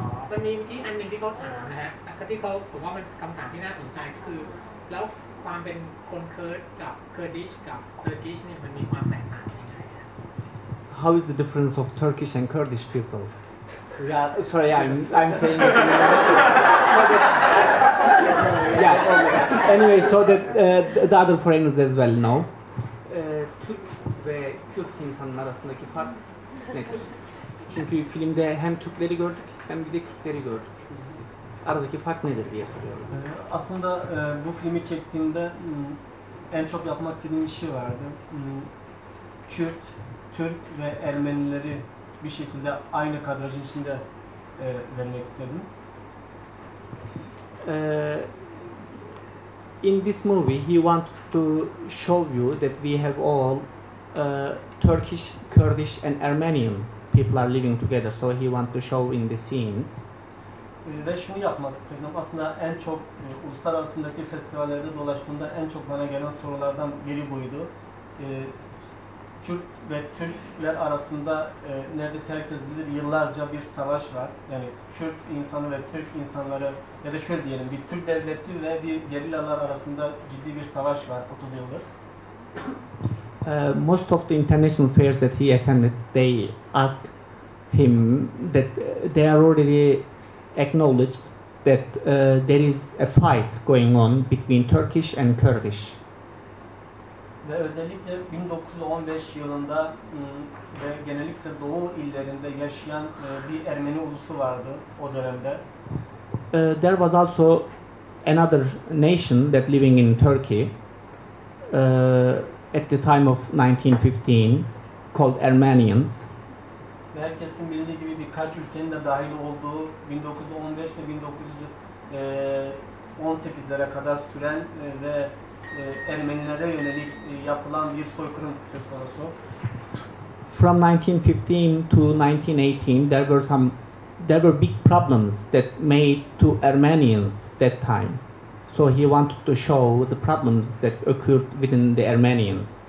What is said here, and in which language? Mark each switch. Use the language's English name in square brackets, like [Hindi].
[Thai] มันมีอีกอันนึงที่เขาถามนะฮะคือที่เขาผมว่ามันคำถามที่น่าสนใจก็คือแล้วความเป็นคนเคิร์ดกับเคอร์ดิชกับเทอร์กิชเนี่ยมันมีความแตกต่างยังไง [English] How is the difference of Turkish and Kurdish people? Yeah, sorry, I'm saying it in English. Anyway, so that the other foreigners as well know. [Turkish] Türk ve Kürt insanın arasındaki fark nedir? Çünkü filmde hem Türkleri gördük hem bir de Kürtleri gördük. Aradaki fark nedir diye soruyorum. Aslında bu filmi çektiğimde en çok yapmak istediğim işi vardı. Kürt, Türk ve Ermenileri... bir şekilde aynı kadrajın içinde vermek istedim. [English] In this movie, he wanted to show you that we have all Turkish, Kurdish, and Armenian people are living together. So he wanted to show in the scenes. [Turkish] Ve şunu yapmak istedim. Aslında en çok uluslararası festivallerde dolaştığımda en çok bana gelen sorulardan biri buydu. Kürt ve Türkler arasında neredeyse herkes bilir yıllarca bir savaş var. Yani Kürt insanı ve Türk insanları ya da şöyle diyelim bir Türk devleti ve bir gerillalar arasında ciddi bir savaş var 30 yıldır. [English] Most of the international fairs that he attended, they ask him that they are already acknowledged that there is a fight going on between Turkish and Kurdish. [Turkish] Ve özellikle 1915 yılında ve genellikle Doğu illerinde yaşayan bir Ermeni ulusu vardı o dönemde. [English] There was also another nation that living in Turkey at the time of 1915 called Armenians. [Turkish] Ve herkesin bildiği gibi birkaç ülkenin de dahil olduğu 1915 ve 1918'lere kadar süren veErmenilere yönelik yapılan bir soykırım söz konusu. [English] From 1915 to 1918, there were big problems that made to Armenians that time. So he wanted to show the problems that occurred within the Armenians.